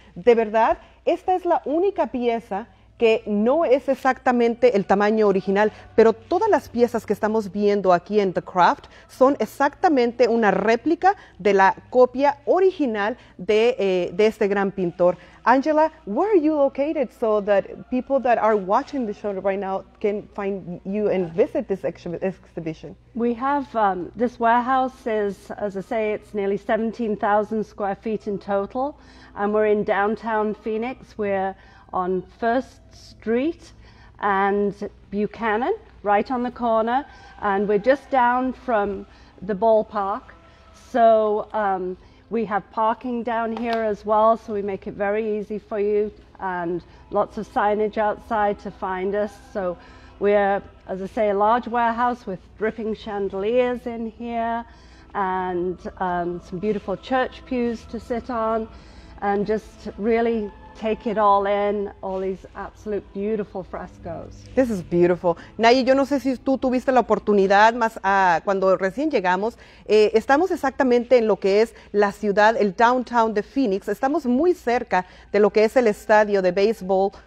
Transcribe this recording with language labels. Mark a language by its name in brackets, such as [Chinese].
[Spanish] De verdad, esta es la única pieza que no es exactamente el tamaño original, pero todas las piezas que estamos viendo aquí en The Craft son exactamente una réplica de la copia original de este gran pintor. [English] Angela, where are you located so that people that are watching the show right now can find you and visit this exhibition? We have this warehouse is, as I say, it's nearly 17,000 square feet in total, and we're in downtown Phoenix. We're on First Street and Buchanan, right on the corner. And we're just down from the ballpark. So we have parking down here as well, so we make it very easy for you, and lots of signage outside to find us. So we're, as I say, a large warehouse with dripping chandeliers in here and some beautiful church pews to sit on, and just really take it all in, all these absolute beautiful frescoes. This is beautiful. [Spanish] Nayi, yo no sé si tú tuviste la oportunidad más cuando recién llegamos. Estamos exactamente en lo que es la ciudad, el downtown de Phoenix. Estamos muy cerca de lo que es el estadio de béisbol.